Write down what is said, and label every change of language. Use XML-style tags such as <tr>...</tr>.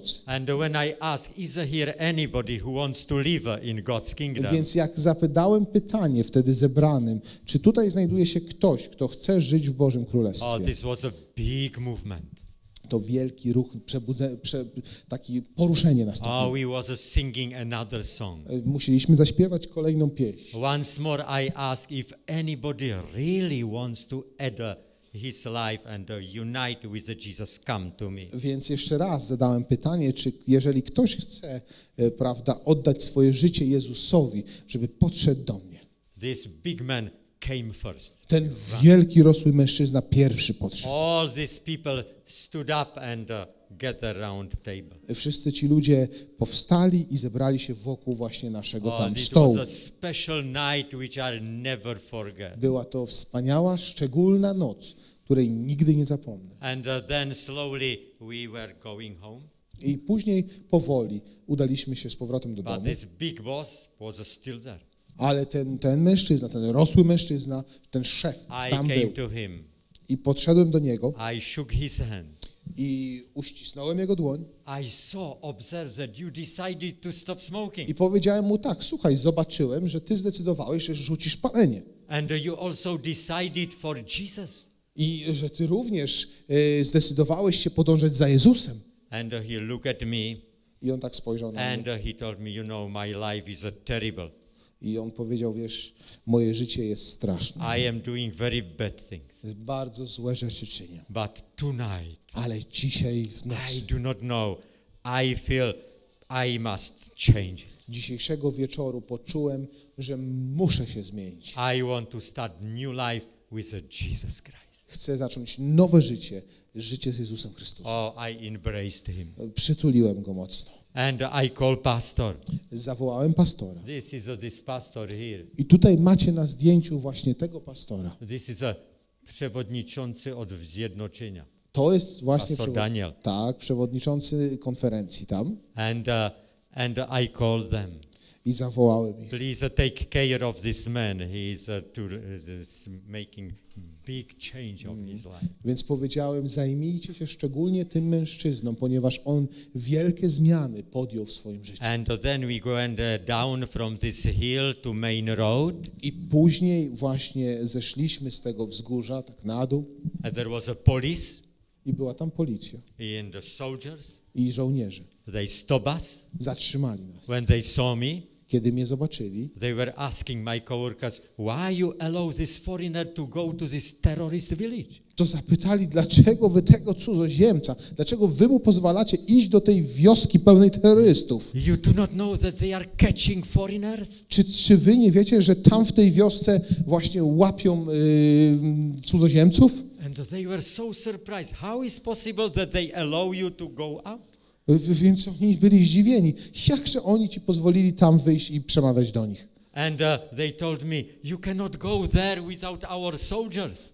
<en>And when I ask, is here anybody who wants to live in God's kingdom?</en> <pl>Więc jak zapytałem pytanie wtedy zebranym, czy tutaj znajduje się ktoś, kto chce żyć w Bożym Królestwie?</pl> <en>Oh, this was a big movement.</en> <pl>To wielki ruch, takie poruszenie nastąpiło.</pl> <en>Oh, we was singing another song.</en> <pl>Musieliśmy zaśpiewać kolejną pieśń.</pl> <en>Once more I ask if anybody really wants to add his life and unite with Jesus, come to me.</en> <pl>Więc jeszcze raz zadałem pytanie, czy jeżeli ktoś chce, prawda, oddać swoje życie Jezusowi, żeby podszedł do mnie.</pl> <en>This big man came first.</en> <pl>Ten wielki, rosły mężczyzna pierwszy podszedł.</pl> <en>All these people stood up and gathered around the table.</en> <pl>Wszyscy ci ludzie powstali i zebrali się wokół właśnie naszego tam stołu.</pl> <en>It was a special night which I'll never forget.</en> <pl>Była to wspaniała, szczególna noc, której nigdy nie zapomnę.</pl> <en>And then slowly we were going home.</en> <pl>I później powoli udaliśmy się z powrotem do domu.</pl> <en>But this big boss was still there.</en> <pl>Ale ten mężczyzna, ten rosły mężczyzna, ten szef tam był. I podszedłem do niego.</pl> <en>I shook his hand.</en> <pl>I uścisnąłem jego dłoń.</pl> <en>I saw, observed that you decided to stop smoking.</en> <pl>I powiedziałem mu tak, słuchaj, zobaczyłem, że ty zdecydowałeś, że rzucisz palenie.</pl> <en>And you also decided for Jesus.</en> <pl>I że ty również zdecydowałeś się podążać za Jezusem.</pl> <en>And he looked at me.</en> <pl>I on tak spojrzał na mnie.</pl> <en>And he told me, you know, my life is terrible.</en> <pl>I on powiedział, wiesz, moje życie jest straszne.</pl> <en>I am doing very bad things.</en> <pl>Bardzo złe rzeczy czynię.</pl> <en>But tonight,</en> <pl>ale dzisiaj w nocy.</pl> <en>I do not know. I feel I must change.</en> <pl>Dzisiejszego wieczoru poczułem, że muszę się zmienić.</pl> <en>I want to start new life with Jesus Christ.</en> <pl>Chcę zacząć nowe życie, życie z Jezusem Chrystusem.</pl> <en>Oh, I embraced him.</en> <pl>Przytuliłem go mocno.</pl> <en>And I call pastor.</en> <pl>Zawołałem pastora.</pl> <en>This is this pastor here.</en> <pl>I tutaj macie na zdjęciu właśnie tego pastora.</pl> <en>This is a</en> <pl>przewodniczący od zjednoczenia. To jest właśnie pastor Daniel. Tak, przewodniczący konferencji tam.</pl> <en>And I call them.</en> <pl>I zawołałem ich.</pl> <en>Please take care of this man. He is making big change of his life.</en> <pl>Więc powiedziałem, zajmijcie się szczególnie tym mężczyzną, ponieważ on wielkie zmiany podjął w swoim życiu.</pl> <en>And then we go and down from this hill to main road.</en> <pl>I później właśnie zeszliśmy z tego wzgórza tak na dół.</pl> <en>And there was a police.</en> <pl>I była tam policja.</pl> <en>And the soldiers.</en> <pl>I żołnierze.</pl> <en>They stop us.</en> <pl>Zatrzymali nas.</pl> <en>When they saw me.</en> <pl>Kiedy mnie zobaczyli.</pl> <en>They were asking my coworkers, why you allow this foreigner to go to this terrorist village?</en> <pl>To zapytali, dlaczego wy tego cudzoziemca, dlaczego wy mu pozwalacie iść do tej wioski pełnej terrorystów?</pl> <en>You do not know that they are catching foreigners?</en> <pl>Czy wy nie wiecie, że tam w tej wiosce właśnie łapią cudzoziemców?</pl> <en>And they were so surprised. How is possible that they allow you to go out?</en> <pl>Więc oni byli zdziwieni. Jakże oni ci pozwolili tam wyjść i przemawiać do nich?</pl> <en>And they told me, you cannot go there without our soldiers.</en>